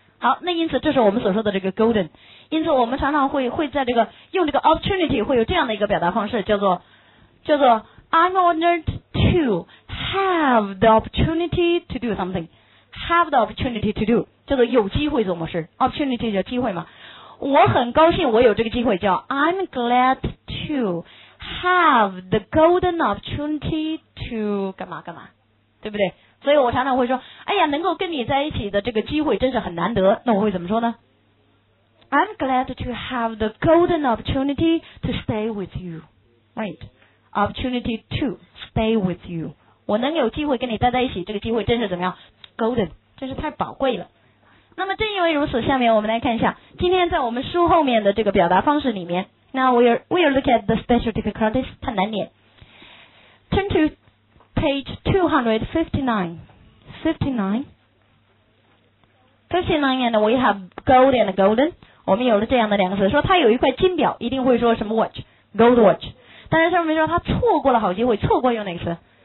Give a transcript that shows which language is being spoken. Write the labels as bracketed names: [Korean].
[Chinese] 好，那因此这是我们所说的这个 golden。因此我们常常会在这个用这个 opportunity 会有这样的一个表达方式，叫做 [English] I'm honored to have the opportunity to do something， have the opportunity to do [Chinese] 叫做有机会做某事， opportunity 叫机会嘛。我很高兴我有这个机会，叫 [English] I'm glad toHave the golden opportunity to [Chinese] 干嘛干嘛，对不对？所以我常常会说，哎呀，能够跟你在一起的这个机会真是很难得。那我会怎么说呢？ [English] I'm glad to have the golden opportunity to stay with you. Right. Opportunity to stay with you. [Chinese] 我能有机会跟你待在一起，这个机会真是怎么样？ Golden. 真是太宝贵了。那么正因为如此，下面我们来看一下今天在我们书后面的这个表达方式里面。 [English] Now we are look at the special difficulties. [Chinese] 太难念。 [English] Turn to page 259 and we have gold and golden. [Chinese] 我们有了这样的两个词，说他有一块金表，一定会说什么 [English] watch, gold watch. [Chinese] 但是上面说他错过了好机会，错过用哪个词？